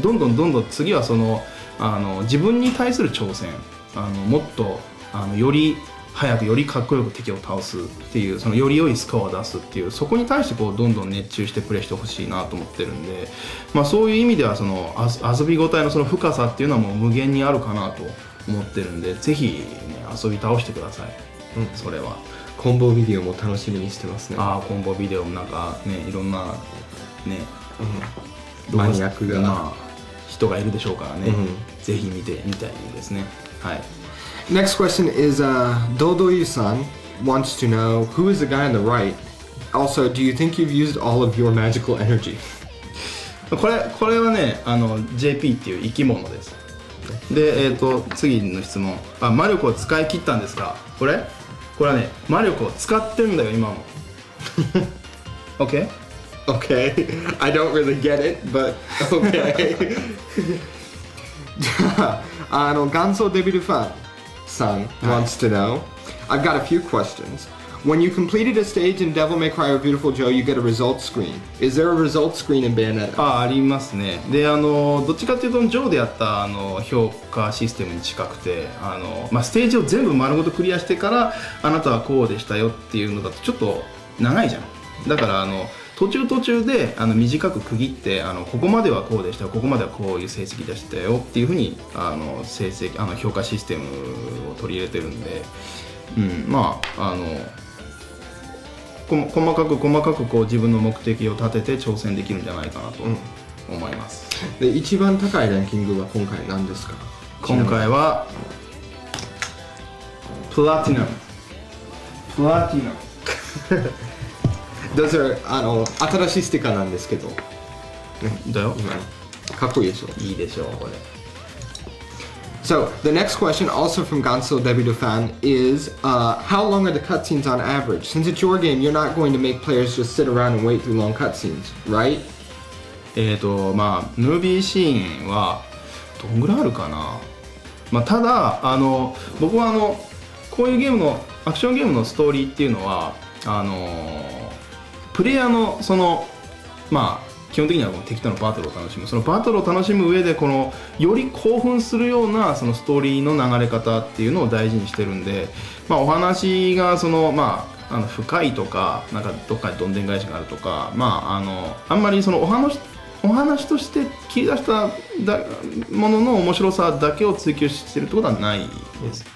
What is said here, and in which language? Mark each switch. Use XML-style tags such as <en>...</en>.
<ja>どんどんどんどん次はそのあの自分に対する挑戦、あのもっとあのより早くよりかっこよく敵を倒すっていう、そのより良いスコアを出すっていう、そこに対してこうどんどん熱中してプレイしてほしいなと思ってるんで、まあ、そういう意味ではその遊びごたえの その深さっていうのはもう無限にあるかなと思ってるんで、ぜひ、ね、遊び倒してください、うん、それはコンボビデオも楽しみにしてますね。あコンボビデオもなんかね、いろんなね、うん、マニアックが、まあ人がいるでしょうからね、うん、ぜひ見てみたいですね、はい。</ja> <en>Next question is Dodo Yu-san wants to know who is the guy on the right? Also, do you think you've used all of your magical energy?</en> <ja>これはね、あの JP っていう生き物です。で、次の質問、あ魔力を使い切ったんですか。これはね、魔力を使ってるんだよ今も。</ja> <en>OK? Okay, I don't really get it, but okay. Ganso Devil Fan san wants to know, I've got a few questions. When you completed a stage in Devil May Cry or Beautiful Joe, you get a result screen. Is there a result screen in Bayonetta?</en> <ja>あ、ありますね。で、あのどっちかというとジョーでやったあの評価システムに近くて、あの、まあ、ステージを全部丸ごとクリアしてからあなたはこうでしたよっていうのだとちょっと長いじゃん。だからあの途中途中であの短く区切って、あのここまではこうでした、ここまではこういう成績出したよっていうふうにあの成績あの評価システムを取り入れてるんで、うん、まああの細かく細かくこう自分の目的を立てて挑戦できるんじゃないかなと思います、うん、で一番高いランキングは今回何ですか。今回はプラティナム。プラティナムDose are, あの新しいステッカーなんですけど、だよ、かっこいいでしょ。いいでしょこれ。</ja> <en>So the next question, also from Ganso Debido Fan, is how long are the cutscenes on average? Since it's your game, you're not going to make players just sit around and wait through long cutscenes, right?</en> <ja>まあムービーシーンはどんぐらいあるかな。まあただあの僕はあのこういうゲームのアクションゲームのストーリーっていうのはあの。プレイヤーのその、まあ、基本的にはこの敵とのバトルを楽しむ、そのバトルを楽しむ上でこのより興奮するようなそのストーリーの流れ方っていうのを大事にしてるんで、まあ、お話がその、まあ、あの深いとか、 なんかどっかにどんでん返しがあるとか、まあ、あんまりそのお話として切り出したものの面白さだけを追求してるってことはないです。</ja>